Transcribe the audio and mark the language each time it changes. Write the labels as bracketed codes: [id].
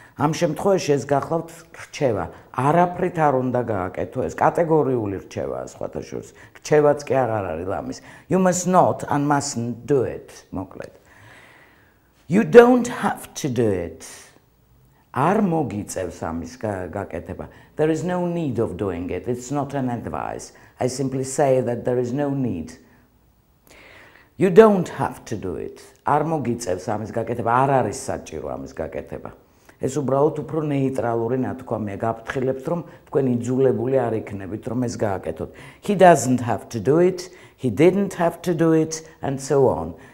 [ka] Am შემთხვევაში ეს გახლავთ რჩევა. Არაფრით არ უნდა გააკეთო ეს კატეგორიული რჩევა სხვათაშორის. რჩევაც კი აღარ არის ლამის. [en] You must not and mustn't do it. [ka] Მოკლედ. [en] You don't have to do it. [ka] Არ მოგიწევს ამის გაკეთება. [en] There is no need of doing it. It's not an advice. I simply say that there is no need. You don't have to do it. [ka] Არ მოგიწევს ამის გაკეთება. Არ არის საჭირო ამის გაკეთება. ეს უბრალოდ უფრო ნეიტრალური ნათქვამია, გაფრთხილებს რომ თქვენ იძულებული არ იქნებით რომ ეს გააკეთოთ. [en] He doesn't have to do it, he didn't have to do it and so on.